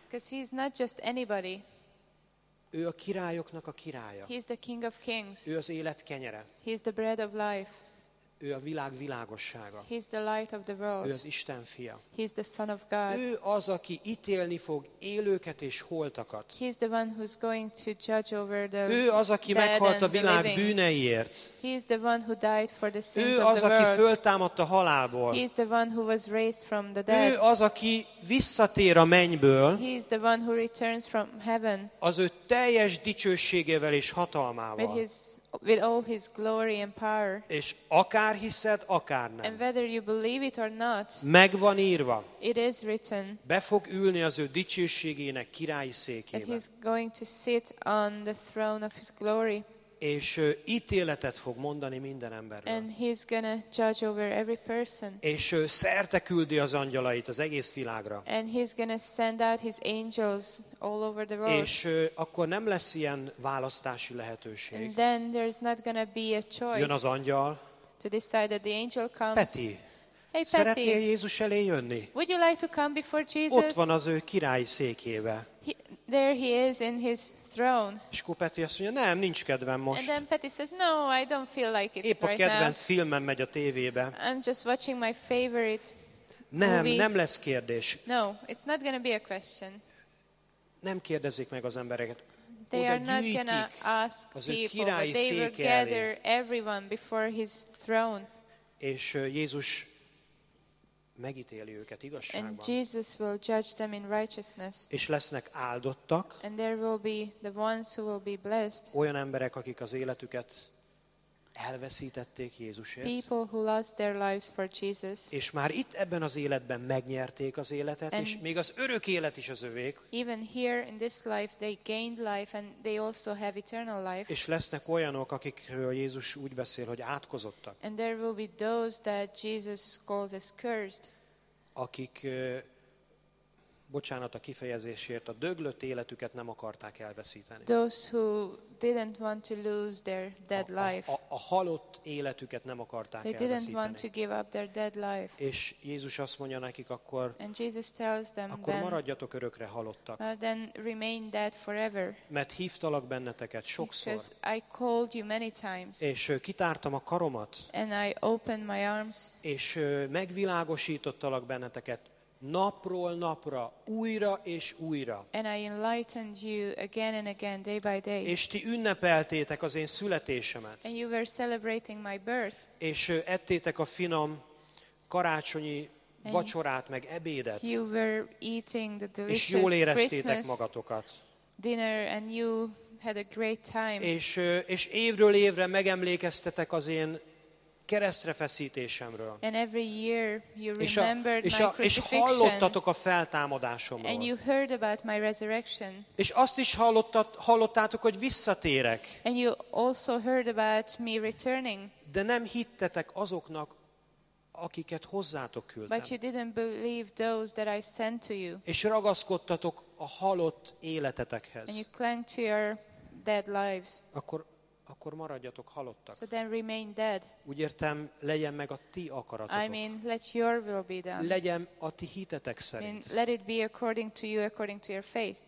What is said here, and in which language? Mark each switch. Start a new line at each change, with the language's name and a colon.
English: Because he's not just anybody.
Hungarian: Ő a királyoknak a királya.
English: He's the king of kings.
Hungarian: Ő az élet kenyere.
English: He's the bread of life.
Hungarian: Ő a világ világossága.
English: He's the light of the world.
Hungarian: Ő az Isten fia.
English: He's the son of God.
Hungarian: Ő az, aki ítélni fog élőket és holtakat.
English: He's the one who's going to judge over the
Hungarian: Ő az, aki meghalt a világ bűneiért.
English: He's the one who died for the sins of the world.
Hungarian: Ő az, aki föltámadt a halálból.
English: He's the one who was raised from the dead.
Hungarian: Ő az, aki visszatér a mennyből.
English: He's the one who returns from heaven.
Hungarian: Az ő teljes dicsőségével és hatalmával.
English: With his With all his glory and power.
Hungarian: És akár hiszed, akár nem.
English: And whether you believe it or not.
Hungarian: Megvan írva.
English: It is written.
Hungarian: Be fog ülni az ő dicsőségének királyi székében.
English: That he's going to sit on the throne of his glory.
Hungarian: És ő ítéletet fog mondani minden emberről.
English: And he's gonna judge over every person.
Hungarian: És ő szerte küldi az angyalait az egész világra.
English: And he's gonna send out his angels all over the world.
Hungarian: És akkor nem lesz ilyen választási lehetőség.
English: And then there's not gonna be a choice.
Hungarian: Jön az angyal.
English: To decide that the angel comes.
Hungarian: Peti.
English: Hey,
Hungarian: szeretnél Peti, Jézus elé jönni?
English: Would you like to come before Jesus?
Hungarian: Ott van az ő királyi székébe.
English: There he is in his throne.
Hungarian: És akkor Peti azt mondja, nem, nincs kedvem most.
English: And then Peti says, no, I don't feel like it right now.
Hungarian: Épp a kedvenc filmem megy a tévébe.
English: I'm just watching my favorite movie.
Hungarian: Nem, nem lesz kérdés.
English: No, it's not gonna be a question.
Hungarian: Nem kérdezik meg az embereket.
English: They
Hungarian: oda
English: are not gonna ask
Hungarian: az
English: people,
Hungarian: ő királyi
English: but they will gather
Hungarian: elé.
English: Everyone before his throne.
Hungarian: És Jézus megítéli őket igazságban.
English: And Jesus will judge them in righteousness.
Hungarian: És lesznek áldottak.
English: And there will be the ones who will be blessed.
Hungarian: Olyan emberek, akik az életüket elveszítették Jézusért.
English: People who lost their lives for Jesus.
Hungarian: És már itt ebben az életben megnyerték az életet,
English: and
Hungarian: és még az örök élet is az övék.
English: Even here in this life they gained life and they also have eternal life.
Hungarian: És lesznek olyanok, akikről Jézus úgy beszél, hogy átkozottak.
English: And there will be those that Jesus calls as cursed.
Hungarian: Akik bocsánat a kifejezésért, a döglött életüket nem akarták elveszíteni.
English: Those who didn't want to lose their dead life.
Hungarian: A halott életüket nem akarták
English: they
Hungarian: elveszíteni.
English: Didn't want to give up their dead life.
Hungarian: És Jézus azt mondja nekik akkor,
English: and Jesus tells them,
Hungarian: akkor maradjatok örökre halottak.
English: Then remain dead forever.
Hungarian: Mert hívtalak benneteket sokszor.
English: Because I called you many times.
Hungarian: És kitártam a karomat.
English: And I opened my arms.
Hungarian: És megvilágosítottalak benneteket napról napra, újra és újra.
English: And I enlightened you again and again, day by day.
Hungarian: És ti ünnepeltétek az én születésemet.
English: And you were celebrating my birth.
Hungarian: És ettétek a finom karácsonyi
English: and
Hungarian: vacsorát, meg ebédet.
English: You were eating the delicious
Hungarian: és jól éreztétek
English: Christmas
Hungarian: magatokat.
English: Dinner and you had a great time.
Hungarian: És évről évre megemlékeztetek az én keresztre feszítésemről.
English: And every year you remembered
Hungarian: és a,
English: my crucifixion.
Hungarian: És hallottatok a feltámadásomról.
English: And you heard about my resurrection.
Hungarian: És azt is hallottátok, hogy visszatérek.
English: And you also heard about me returning.
Hungarian: De nem hittetek azoknak, akiket hozzátok küldtem.
English: But you didn't believe those that I sent to you.
Hungarian: És ragaszkodtatok a halott életetekhez.
English: And you clung to your dead lives.
Hungarian: Akkor maradjatok halottak.
English: So then remain dead.
Hungarian: Úgy értem, legyen meg a ti akaratotok.
English: I mean, let your will be done.
Hungarian: Legyen a ti hitetek szerint.
English: I mean, let it be according to you, according to your faith.